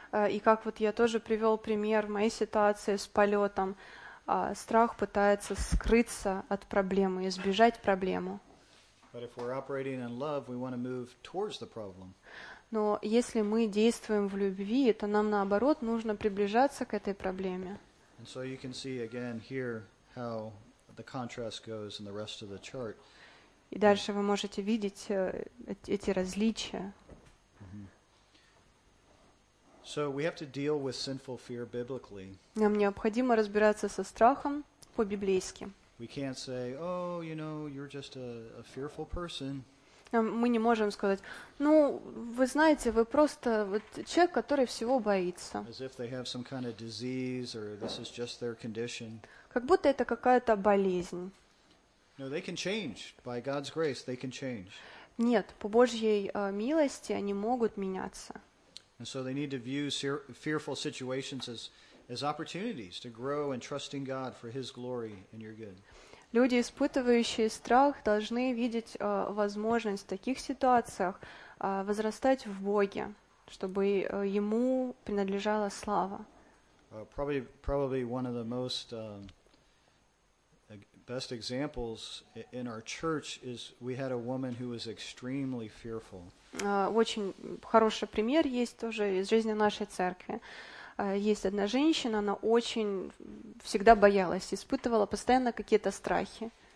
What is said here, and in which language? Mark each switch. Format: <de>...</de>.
<ru>И как вот я тоже привел пример в моей ситуации с полетом, страх пытается скрыться от проблемы, избежать проблему.</ru> <en>But if we're operating in love, we want to move towards the problem.</en> <ru>Но если мы действуем в любви, то нам наоборот нужно приближаться к этой проблеме.</ru> <en>And so you can see again here how the contrast goes in the rest of the chart.</en> <ru>И дальше вы можете видеть эти различия.</ru> <en>So we have to deal with sinful fear biblically.</en> <ru>Нам необходимо разбираться со страхом по-библейски.</ru> <en>We can't say, "Oh, you know, you're just a fearful person."</en> <ru>Мы не можем сказать: "Ну, вы знаете, вы просто вот человек, который всего боится."</ru> <en>As if they have some kind of disease or this is just their condition.</en> <ru>Как будто это какая-то болезнь.</ru> <en>No, they can change by God's grace. They can change.</en> <ru>Нет, по Божьей милости они могут меняться.</ru> <en>And so they need to view fearful situations as opportunities to grow and trusting God for His glory and your good.</en> <ru>Люди, испытывающие страх, должны видеть возможность в таких ситуациях возрастать в Боге, чтобы Ему принадлежала слава.</ru> <en>Probably one of the most best examples in our church is we had a woman who was extremely fearful.</en> <ru>Очень хороший пример есть тоже из жизни нашей церкви. Есть одна женщина, она очень всегда боялась, испытывала постоянно какие-то страхи.</ru>